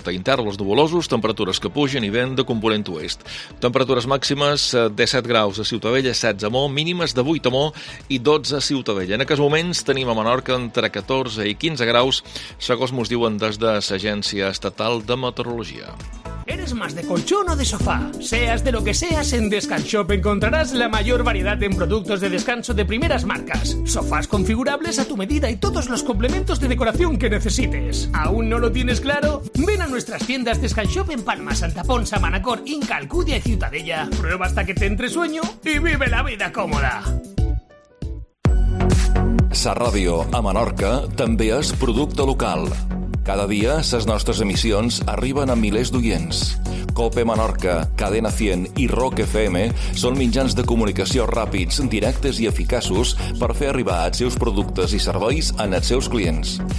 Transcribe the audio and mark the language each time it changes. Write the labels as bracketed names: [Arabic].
[Catalan] Té intervals nuvolosos, temperatures que pugen i vent de component oest. Temperatures màximes de 7 graus a Ciutadella, 16 a Mó, mínimes de 8 a Mó i 12 a Ciutadella. En aquests moments tenim a Menorca entre 14 i 15 graus, segons mos diuen des de l'Agència Estatal de Meteorologia. [Spanish] quieras más de colchón o de sofá, seas de lo que seas, en Descans Shop encontrarás la mayor variedad en productos de descanso de primeras marcas. Sofás configurables a tu medida y todos los complementos de decoración que necesites. ¿Aún no lo tienes claro? Ven a nuestras tiendas Descans Shop en Palma, Santa Ponsa, Manacor, Inca, Alcudia y Ciutadella. Prueba hasta que te entre sueño y vive la vida cómoda. [Catalan] Sa Ràdio a Menorca també és producte local. Cada dia, les nostres emissions arriben a milers d'oients. COPE Menorca, Cadena 100 i ROC FM són mitjans de comunicació ràpids, directes i eficaços per fer arribar els seus productes i serveis en els seus clients.